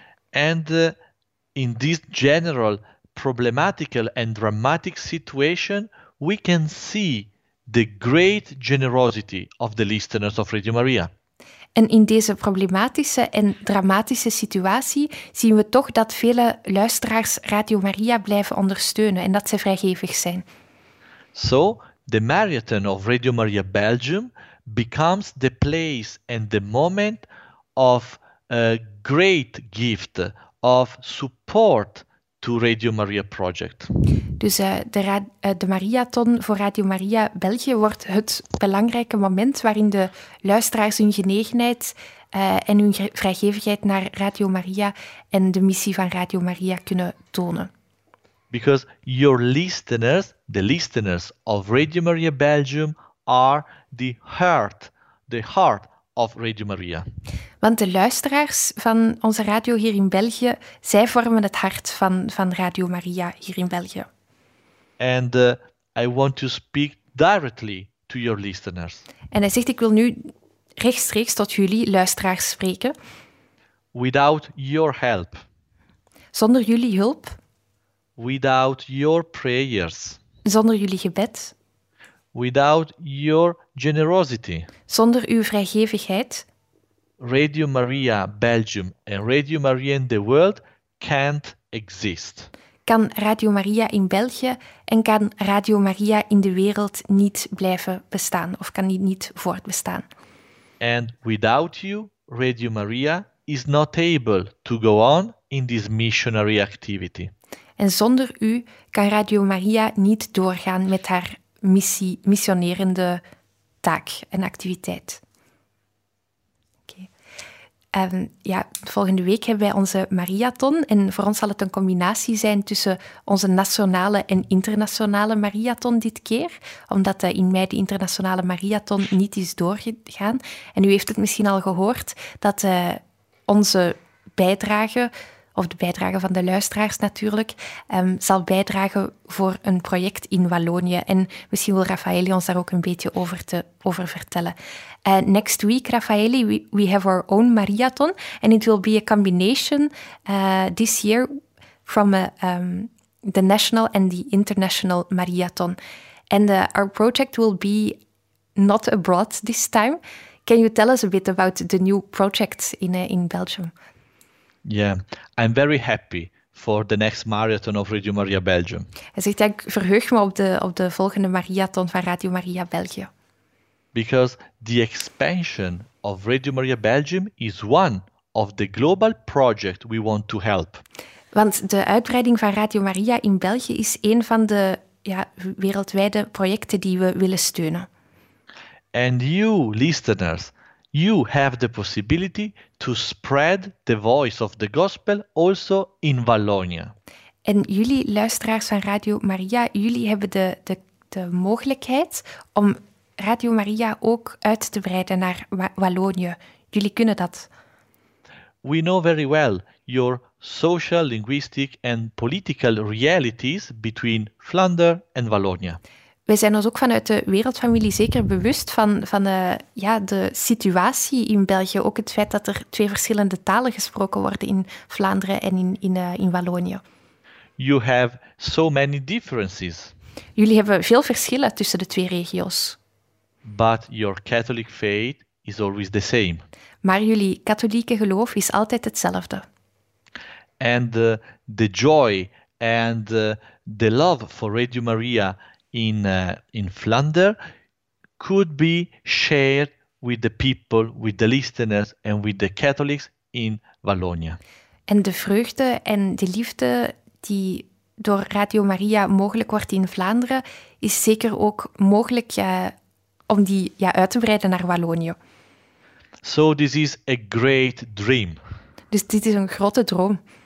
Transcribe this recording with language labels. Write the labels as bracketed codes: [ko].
[en] And in this general problematical and dramatic situation, we can see the great generosity of the listeners of Radio Maria. [nl] En in deze problematische en dramatische situatie zien we toch dat vele luisteraars Radio Maria blijven ondersteunen en dat ze vrijgevig zijn. [en] So, the marathon of Radio Maria Belgium becomes the place and the moment of a great gift of support to Radio Maria project. [nl] Dus de marathon voor Radio Maria België wordt het belangrijke moment waarin de luisteraars hun genegenheid en hun vrijgevigheid naar Radio Maria en de missie van Radio Maria kunnen tonen. [en] Because your listeners, the listeners of Radio Maria Belgium, are the heart of Radio Maria. [nl] Want de luisteraars van onze radio hier in België, zij vormen het hart van Radio Maria hier in België. [en] And I want to speak directly to your listeners. [nl] En hij zegt, ik wil nu rechtstreeks tot jullie luisteraars spreken. [en] Without your help. [nl] Zonder jullie hulp. [en] Without your prayers. [nl] Zonder jullie gebed. [en] Without your generosity. [nl] Zonder uw vrijgevigheid. [en] Radio Maria Belgium and Radio Maria in the world can't exist. [nl] Kan Radio Maria in België en kan Radio Maria in de wereld niet blijven bestaan of kan die niet voortbestaan. [en] And without you, Radio Maria is not able to go on in this missionary activity. [nl] En zonder u kan Radio Maria niet doorgaan met haar missionerende taak en activiteit. Okay. Volgende week hebben wij onze marathon. En voor ons zal het een combinatie zijn tussen onze nationale en internationale marathon dit keer. Omdat in mei de internationale marathon niet is doorgegaan. En u heeft het misschien al gehoord dat onze bijdrage of de bijdrage van de luisteraars natuurlijk, zal bijdragen voor een project in Wallonië. En misschien wil Raffaele ons daar ook een beetje over vertellen. [en] Next week, Raffaele, we have our own Mariathon. And it will be a combination this year from the national and the international Mariathon. And our project will be not abroad this time. Can you tell us a bit about the new projects in Belgium? Yeah, I'm very happy for the next Mariathon of Radio Maria Belgium. [nl] Hij zegt, ik verheug me op de volgende Mariathon van Radio Maria België. [en] Because the expansion of Radio Maria Belgium is one of the global projects we want to help. [nl] Want de uitbreiding van Radio Maria in België is een van de wereldwijde projecten die we willen steunen. [en] And you, listeners, you have the possibility to spread the voice of the gospel also in Wallonia. [nl] En jullie, luisteraars van Radio Maria, jullie hebben de mogelijkheid om Radio Maria ook uit te breiden naar Wallonië. Jullie kunnen dat. [en] We know very well your social, linguistic and political realities between Flanders and Wallonia. [nl] Wij zijn ons ook vanuit de wereldfamilie zeker bewust van de situatie in België. Ook het feit dat er twee verschillende talen gesproken worden in Vlaanderen en in Wallonië. [en] You have so many differences. [nl] Jullie hebben veel verschillen tussen de twee regio's. [en] But your Catholic faith is always the same. [nl] Maar jullie katholieke geloof is altijd hetzelfde. [en] And the joy and the love for Radio Maria in Flanders could be shared with the people, with the listeners and with the Catholics in Wallonia. [nl] En de vreugde en de liefde die door Radio Maria mogelijk wordt in Vlaanderen is zeker ook mogelijk om die uit te breiden naar Wallonië. [en] So this is a great dream. [nl] Dus dit is een grote droom.